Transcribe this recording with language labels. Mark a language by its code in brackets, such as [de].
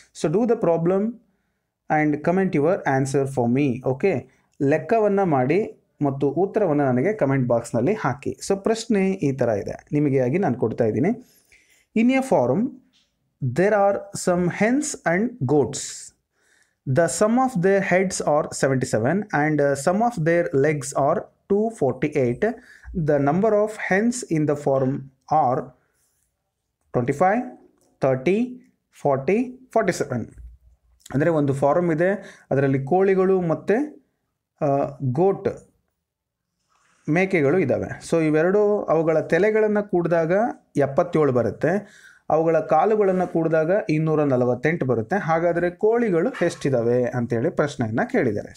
[en] So do the problem and comment your answer for me. [kn] Okay, ಲೆಕ್ಕವನ್ನು ಮಾಡಿ ಮತ್ತು ಉತ್ತರವನ್ನು ನನಗೆ ಕಮೆಂಟ್ ಬಾಕ್ಸ್ನಲ್ಲಿ ಹಾಕಿ. ಸೊ ಪ್ರಶ್ನೆ ಈ ಥರ ಇದೆ, ನಿಮಗೆ ಆಗಿ ನಾನು ಕೊಡ್ತಾ ಇದ್ದೀನಿ. [en] In a farm there are some hens and goats. The sum of their heads are 77 and sum of their legs are 248. The number of hens in the form are 25, 30, 40, 47. [kn] ಅಂದರೆ ಒಂದು ಫಾರಮ್ ಇದೆ, ಅದರಲ್ಲಿ ಕೋಳಿಗಳು ಮತ್ತು ಗೋಟ್ ಮೇಕೆಗಳು ಇದ್ದಾವೆ. ಸೊ ಇವೆರಡು ಅವುಗಳ ತಲೆಗಳನ್ನು ಕೂಡಿದಾಗ 77 ಬರುತ್ತೆ, ಅವುಗಳ ಕಾಲುಗಳನ್ನು ಕೂಡಿದಾಗ 248 ಬರುತ್ತೆ. ಹಾಗಾದರೆ ಕೋಳಿಗಳು ಎಷ್ಟಿದ್ದಾವೆ ಅಂತೇಳಿ ಪ್ರಶ್ನೆಯನ್ನು ಕೇಳಿದ್ದಾರೆ.